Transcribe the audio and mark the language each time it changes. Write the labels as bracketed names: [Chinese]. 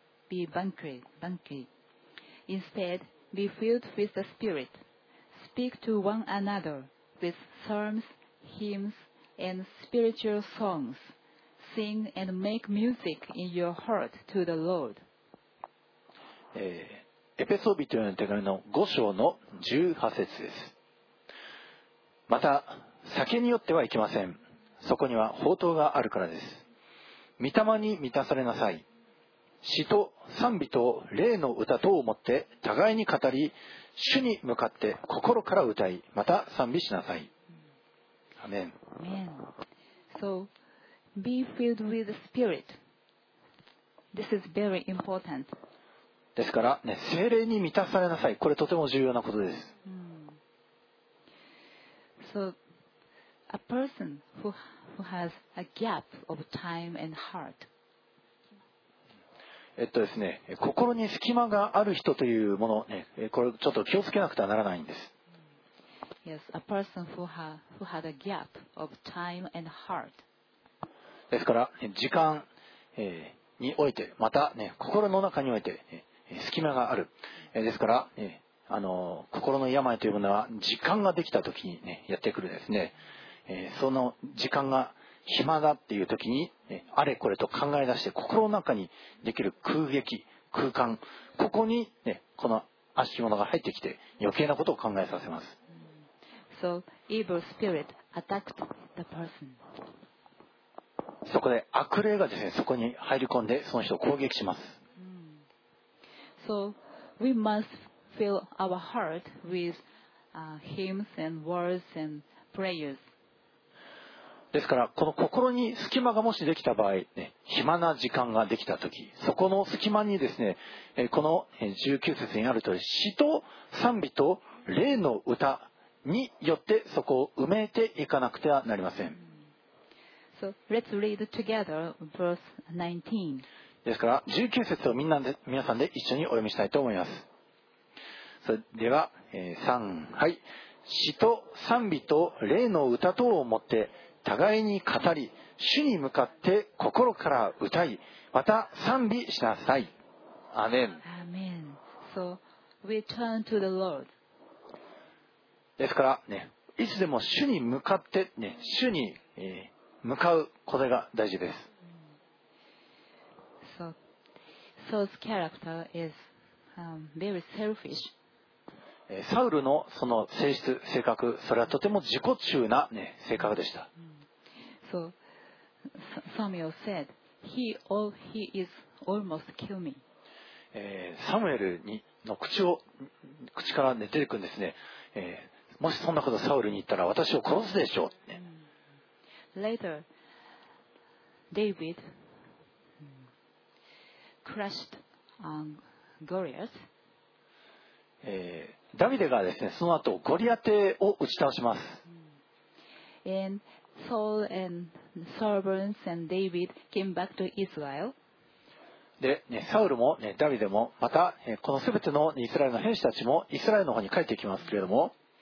[English] Instead, be filled with the Spirit. Speak to one another with psalms, hymns, and spiritual songs. Sing and make music in your heart to the Lord. [Japanese] エペソ人への手紙の五章の十八節です。また、酒によってはいけません。そこには宝刀があるからです。御霊に満たされなさい。詩と賛美と霊の歌とを持って互いに語り、主に向かって心から歌い、また賛美しなさい。アメン。 [English] Amen. So, be filled with the Spirit. This is very important. [Japanese] ですから、ね、聖霊に満たされなさい。これとても重要なことです。 [English] So,A person who has a gap of time and heart. [Japanese] ですね、心に隙間がある人というもの、ね、これちょっと気をつけなくてはならないんです。 [English] Yes, a person who had a gap of time and heart. [Japanese] ですから、時間において、また、ね、心の中において、隙間がある。ですから、心の病というものは、時間ができたときに、ね、やってくるですね。その時間が暇だっていう時に、あれこれと考え出して心の中にできる空隙、空間、ここに、ね、この悪しきものが入ってきて余計なことを考えさせます。 [English] So, evil spirit attacked the person. [Japanese] そこで悪霊がですね、そこに入り込んでその人を攻撃します。 [English] So, we must fill our heart with hymns and words and prayers. [Japanese] ですからこの心に隙間がもしできた場合、ね、暇な時間ができた時、そこの隙間にですね、この19節にあると詩と賛美と霊の歌によってそこを埋めていかなくてはなりません。 [English] So, let's read together verse 19. [Japanese] ですから19節をみんなで皆さんで一緒にお読みしたいと思います。それでは、3はい、詩と賛美と霊の歌等を持って互いに語り、主に向かって心から歌い、また賛美しなさい。アメン。 [English] アメン。So, we turn to the Lord. [Japanese] ですから、ね、いつでも主に向かって、ね、主に向かうことが大事です。 [English] So, Saul's character is very selfish. [Japanese] サウルのその性質、性格、それはとても自己中な、ね、性格でした。 [English] So, Samuel said, he is almost kill me. [Japanese] サムエルの口から、ね、出てくるんですね、もしそんなことサウルに言ったら私を殺すでしょう。 [English] Later, David crushed Goliath. [Japanese] ダビデがですね、その後ゴリアテを打ち倒します。 [English] And Saul and servants and David came back to Israel. [Japanese] で、ね、サウルも、ね、ダビデもまた、このすべてのイスラエルの兵士たちもイスラエルの方に帰っていきますけれども。